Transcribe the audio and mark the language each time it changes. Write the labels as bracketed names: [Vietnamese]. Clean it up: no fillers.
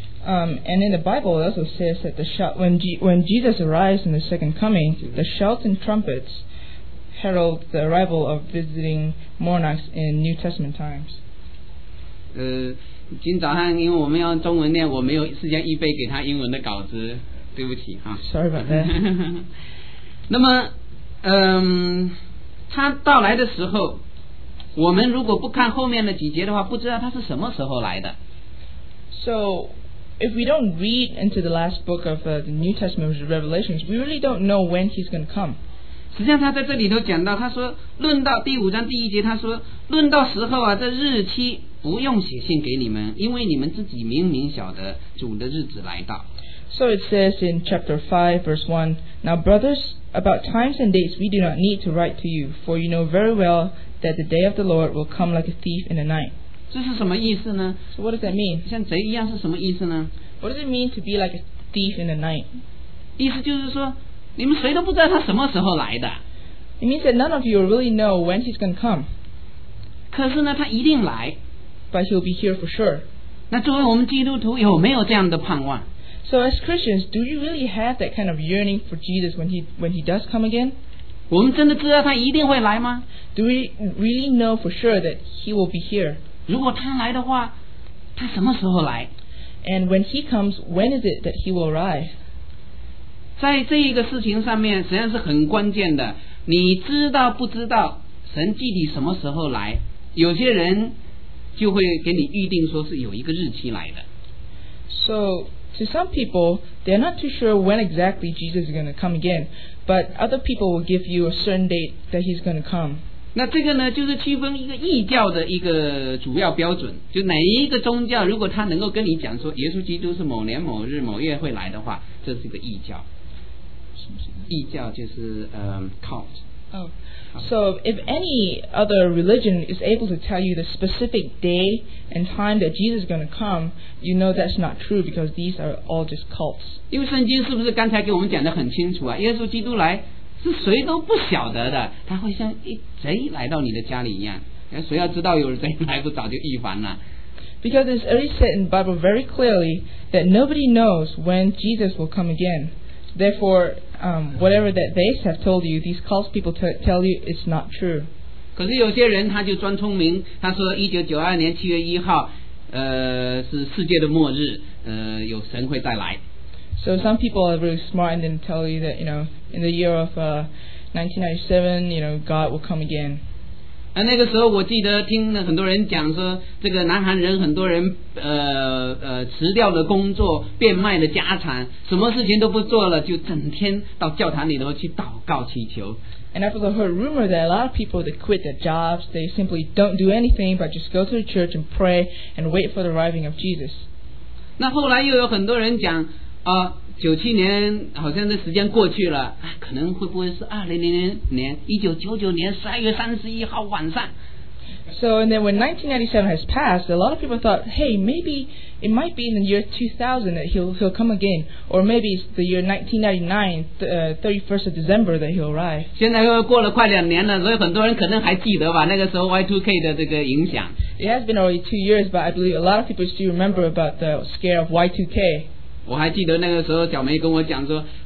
[English] And in the Bible, it also says that the shout when Jesus arrives in the second coming, the shouts and trumpets herald the arrival of visiting monarchs in New Testament times. [Chinese] 今早上因为我们要中文念，我没有时间预备给他英文的稿子，对不起哈。 [English] Sorry about that. [Chinese] 那么他到来的时候，我们如果不看后面的几节的话，不知道他是什么时候来的。 [English] So if we don't read into the last book of the New Testament Revelations, we really don't know when he's going to come. [Chinese] 实际上他在这里头讲到，他说论到第五章第一节，他说论到时候啊，这日期不用写信给你们，因为你们自己明明晓得主的日子来到。 [English] So it says in chapter 5 verse 1, Now brothers, about times and dates we do not need to write to you, for you know very well that the day of the Lord will come like a thief in the night. [Chinese] 这是什么意思呢？ [English] So what does that mean? [Chinese] 像贼一样是什么意思呢？ [English] What does it mean to be like a thief in the night? [Chinese] 意思就是说，你们谁都不知道他什么时候来的。 [English] It means that none of you really know when he's going to come. [Chinese] 可是呢，他一定来。 [English] But he'll be here for sure. [Chinese] 那作为我们基督徒有没有这样的盼望？ [English] So as Christians, do you really have that kind of yearning for Jesus when he does come again? [Chinese] 我们真的知道他一定会来吗？ [English] Do we really know for sure that he will be here? [Chinese] 如果他来的话，他什么时候来？ [English] And when he comes, when is it that he will arrive? [Chinese] 在这一个事情上面，实际上是很关键的。你知道不知道神具体什么时候来？有些人就会给你预定说是有一个日期来的。 [English] So... To some people, they're not too sure when exactly Jesus is going to come again, but other people will give you a certain date that he's going to come. [Chinese] 那这个呢，就是区分一个异教的一个主要标准，就哪一个宗教，如果他能够跟你讲说耶稣基督是某年某日某月会来的话，这是一个异教。异教就是cult. [English] So if any other religion is able to tell you the specific day and time that Jesus is going to come, you know that's not true because these are all just cults. [Chinese] 因为圣经是不是刚才给我们讲得很清楚啊？耶稣基督来是谁都不晓得的，他会像一贼来到你的家里一样。谁要知道有贼来，不早就预防了？ [English] Because it's already said in the Bible very clearly that nobody knows when Jesus will come again. Therefore,whatever that they have told you, these cults people tell you, it's not true. [Chinese] 可是有些人他就装聪明，他说1992年7月1号，是世界的末日，有神会再来。 [English] So some people are really smart and then tell you that, you know, in the year of 1997, you know, God will come again. [Chinese] 那个时候我记得听很多人讲说，这个南韩人很多人辞掉了工作，变卖了家产，什么事情都不做了，就整天到教堂里头去祷告祈求。 [English] And I've also heard rumor that a lot of people that quit their jobs, they simply don't do anything but just go to the church and pray and wait for the arriving of Jesus. [Chinese] 那后来又有很多人讲97年好像这时间过去了，可能会不会是2000年1999年12月31号晚上。 [English] So and then when 1997 has passed, a lot of people thought, hey, maybe it might be in the year 2000 that he'll come again, or maybe it's the year 1999, 31st of December that he'll arrive. [Chinese] 现在又过了快两年了，所以很多人可能还记得吧，那个时候 Y2K 的这个影响。 [English] It has been already 2 years, but I believe a lot of people still remember about the scare of Y2K. [Chinese] 我还记得那个时候小梅跟我讲说，